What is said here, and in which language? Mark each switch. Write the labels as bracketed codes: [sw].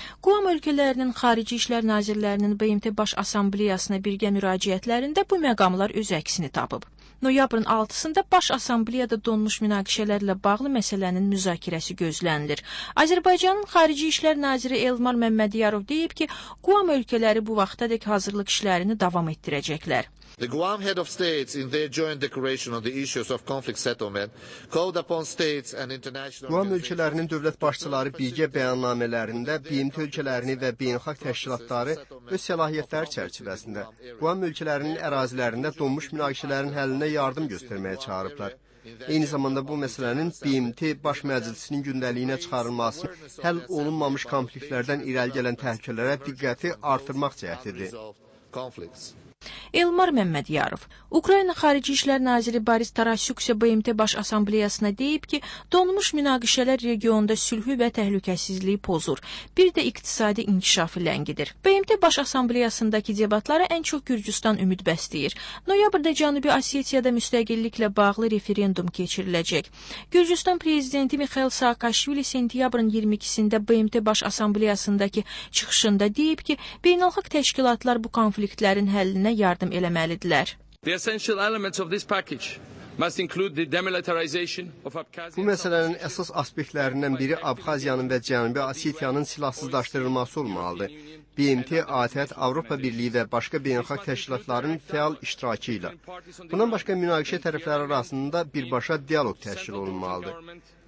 [az] Quam ölkələrinin Xarici İşlər Nazirlərinin BMT Baş Assambleyasına birgə müraciətlərində bu məqamlar öz əksini tapıb. Noyabrın 6-sında Baş Assambleyada donmuş münaqişələrlə bağlı məsələnin müzakirəsi gözlənilir. Azərbaycanın Xarici İşlər Naziri Elmar Məmmədiyarov deyib ki, Quam ölkələri bu vaxta dək hazırlık işlərini davam etdirəcəklər. [en] The Guam head of states in their joint declaration on the issues of conflict settlement called upon states and international [az] Guam ölkələrinin dövlət başçıları birgə bəyannamələrində BMT ölkələrini və beynəlxalq təşkilatları öz səlahiyyətləri çərçivəsində Guam ölkələrinin ərazilərində donmuş münaqişələrin həllinə yardım göstərməyə çağırıblar. Eyni zamanda bu məsələnin BMT Baş Məclisinin gündəliyinə çıxarılması həll olunmamış konfliktlərdən irəli gələn təhlükələrə diqqəti artırmaq cəhdidir. Elmar Məmmədiyarov, Ukrayna Xarici İşlər Naziri Boris Tarasyuk isə BMT Baş Assambleyasına deyib ki, donmuş münaqişələr regionda sülhü və təhlükəsizliyi pozur, bir də iqtisadi inkişafı ləngidir. BMT Baş Assambleyasındakı debatlara ən çox Gürcüstan ümid bəsləyir. Noyabrda Cənubi Osetiyada müstəqilliklə bağlı referendum keçiriləcək. Gürcüstan Prezidenti Mikhail Saakashvili sentyabrın 22-sində BMT Baş Assambleyasındakı çıxışında deyib ki, beynəlxalq təşkilatlar bu konfliktlərin həllini yardım eləməlidirlər. [en] The essential elements of this package must include the demilitarization of Abkhaziya. [az] Bu məsələnin əsas aspektlərindən biri Abxaziyanın və Cənubi Osetiyanın silahsızlaşdırılması olmalıdır. BMT, ATƏT, Avropa Birliyi və başqa beynəlxalq təşkilatların fəal iştirakı ilə. Bundan başqa münaqişə tərəfləri arasında birbaşa dialoq təşkil olunmalıdır.